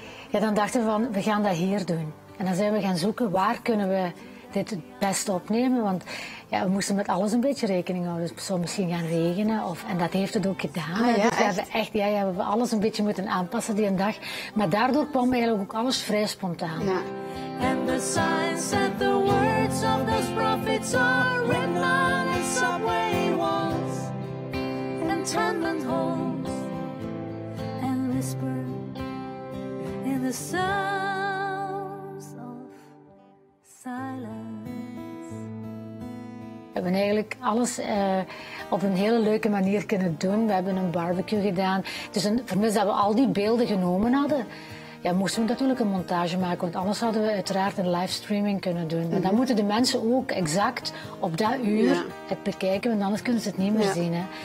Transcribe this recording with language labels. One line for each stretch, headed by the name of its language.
Dutch: En dan dachten we van, we gaan dat hier doen. En dan zijn we gaan zoeken, waar kunnen we dit het beste opnemen? Want we moesten met alles een beetje rekening houden. Het zou misschien gaan regenen. En dat heeft het ook gedaan. Ah, ja, dus we hebben alles een beetje moeten aanpassen die een dag. Maar daardoor kwam eigenlijk ook alles vrij spontaan. Ja.
English: And the signs and the words of those prophets are written on the subway walls and tenement halls and whisper in the sounds of silence.
Dutch: We hebben eigenlijk alles op een hele leuke manier kunnen doen. We hebben een barbecue gedaan. Het is een vermis dat we al die beelden genomen hadden. Ja, moesten we natuurlijk een montage maken, want anders hadden we uiteraard een livestreaming kunnen doen. Maar dan moeten de mensen ook exact op dat uur het bekijken, want anders kunnen ze het niet meer zien. Hè.